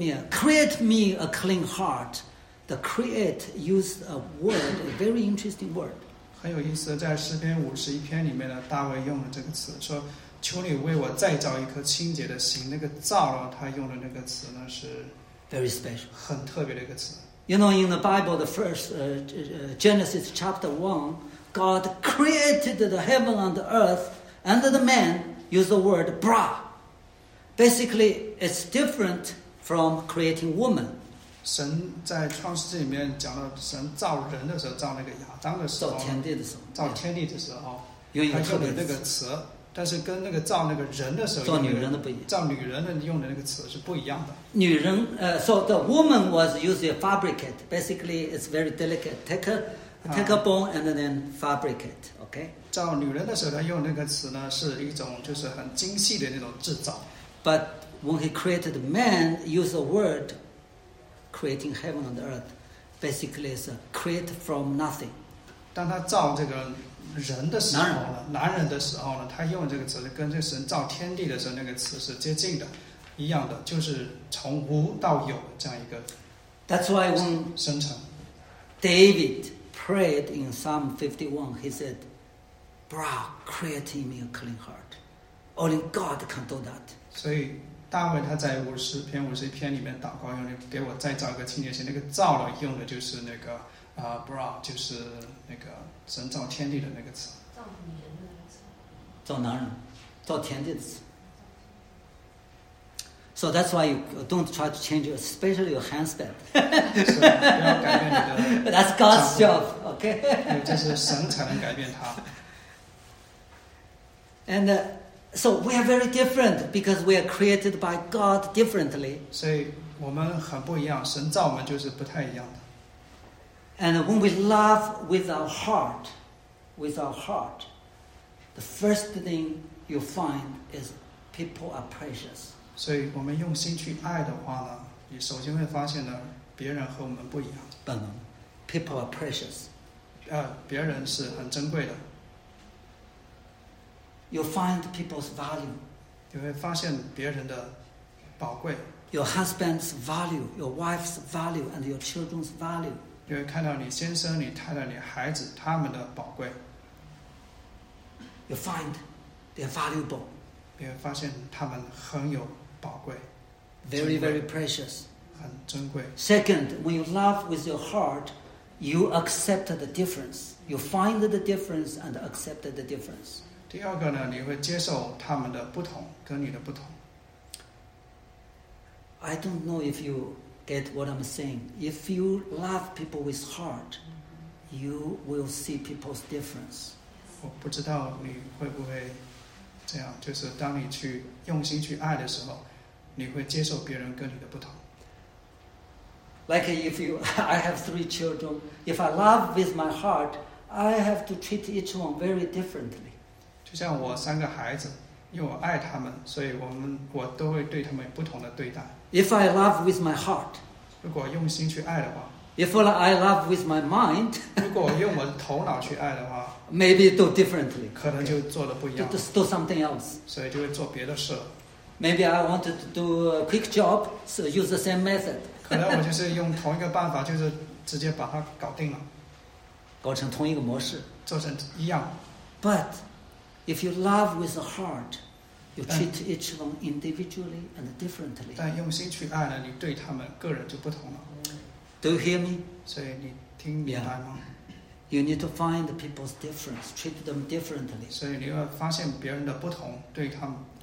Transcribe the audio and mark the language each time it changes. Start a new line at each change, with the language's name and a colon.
English: Create me a clean heart. The create used a word, a very interesting word.
Chinese: 很有意思，在诗篇五十一篇里面呢，大卫用了这个词，说：“求你为我再造一颗清洁的心。” 那个造了，他用的那个词呢是
English: very special,
Chinese: 很特别的一个词。
English: You know, in the Bible, the first Genesis chapter 1, God created the heaven and the earth, and the man used the word bra. Basically, it's different from creating woman.
Chinese: 神在创世纪里面讲到神造人的时候，造那个亚当的时候，造天地的时候，造天地的时候，用一个特别的那个词，但是跟那个造那个人的时候，造女人的不一样，造女人的用的那个词是不一样的。女人，
English: so the woman was usually fabricated. Basically, it's very delicate. Take a bone and then fabricate. Okay.
Chinese: 造女人的时候，他用那个词呢，是一种就是很精细的那种制造。
English: But when he created man, used the word creating heaven and earth. Basically, it's a create from nothing.
Chinese: 当他造这个人的时候呢，男人的时候呢，他用这个词跟这神造天地的时候那个词是接近的，一样的，就是从无到有这样一个。
English: That's why when
Chinese: 生成
English: David prayed in Psalm 51, he said, "Bra, creating me a clean heart. Only God can do that."
Chinese: 所以大卫他在五十篇五十一篇里面祷告，用的给我再造一个清洁心。那个造了用的就是那个bra， 就是那个神造天地的那个词。造女人的那个词。做男人，做天地的事。
English: So that's why you don't try to change, especially your hands bad. That's God's job, okay?
Chinese: 就是神才能改变他。
English: And so we are very different because we are created by God differently.
Chinese: 所以我们很不一样，神造我们就是不太一样的。
English: And when we love with our heart, the first thing you find is people are precious.
Chinese: 所以我们用心去爱的话呢，你首先会发现呢，别人和我们不一样。本能
English: ，people are precious。
Chinese: 别人是很珍贵的。
English: You find people's value。
Chinese: 你会发现别人的宝贵。
English: Your husband's value, your wife's value, and your children's value。
Chinese: 你会看到你先生、你太太、你孩子他们的宝贵。
English: You find they're valuable。
Chinese: 你会发现他们很有。宝贵
English: very very precious
Chinese: 很珍贵
English: Second, when you love with your heart you accept the difference you find the difference and accept the difference
Chinese: 第二个呢你会接受他们的不同跟你的不同
English: I don't know if you get what I'm saying if you love people with heart you will see people's difference
Chinese: 我不知道你会不会这样就是当你去用心去爱的时候你会接受别人跟你的不同。
English: Like if you, I have three children. If I love with my heart, I have to treat each one very differently.
Chinese: 就像我三个孩子，因为我爱他们，所以我都会对他们不同的对待。
English: If I love with my heart,
Chinese: 如果用心去爱的话。
English: If I love with my mind,
Chinese: 如果用我的头脑去爱的话。
English: Maybe do differently.
Chinese: 可能就做的不一样。
English: Okay. Do something else.
Chinese: 所以就会做别的事。
English: Maybe I want to do a quick job, so use the same method.
Chinese: 可能我就是用同一个办法，就是直接把它搞定了，搞成同一个模式，做成一样。
English: But if you love with the heart, you treat each one individually and differently.
Chinese: 但用心去爱呢，你对他们个人就不同了。
English: Do you hear me?
Chinese: 所以你听明白吗？
English: You need to find people's difference, treat them differently.
Chinese: 所以你要发现别人的不同，对他们。